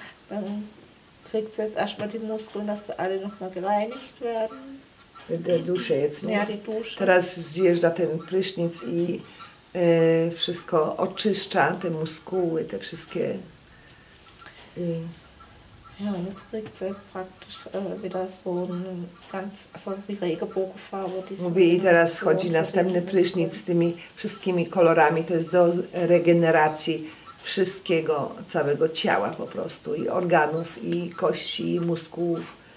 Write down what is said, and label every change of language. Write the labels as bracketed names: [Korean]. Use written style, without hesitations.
[German] Dann kriegst du jetzt erstmal die Muskeln, dass sie alle nochmal gereinigt werden. Die Dusche jetzt, nie? Ja, die Dusche. [Polish] Teraz zjeżdża ten prysznic i wszystko oczyszcza, te muskuły, te wszystkie. [German] Ja, jetzt kriegt sie praktisch wieder so eine ganz, also wie Regenbogenfarbe. [Polish] Mówi, i teraz chodzi następny prysznic z tymi wszystkimi kolorami. To jest do regeneracji wszystkiego, całego ciała po prostu, i organów, i kości, i muskułów.